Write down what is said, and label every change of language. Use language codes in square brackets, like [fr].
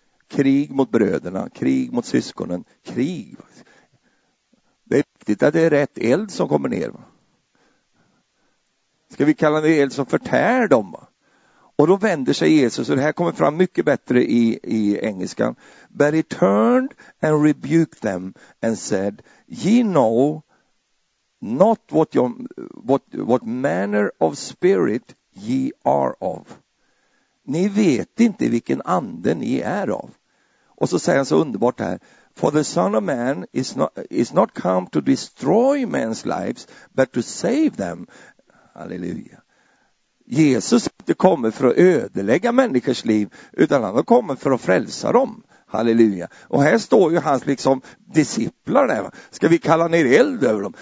[sv] krig mot bröderna, krig mot syskonen, krig. Det är viktigt att det är rätt eld som kommer ner. Ska vi kalla det eld som förtär dem? Och då vänder sig Jesus, och det här kommer fram mycket bättre i engelskan. [en] But he turned and rebuked them and said, ye know not what manner of spirit ye are of. [sv] Ni vet inte vilken ande ni är av. Och så säger han så underbart här. [en] For the son of man is not come to destroy men's lives, but to save them. [sv] Halleluja. Jesus inte kommer för att ödelägga människors liv, utan han kommer för att frälsa dem. Halleluja. Och här står ju hans liksom disciplar där. Ska vi kalla ner eld över dem?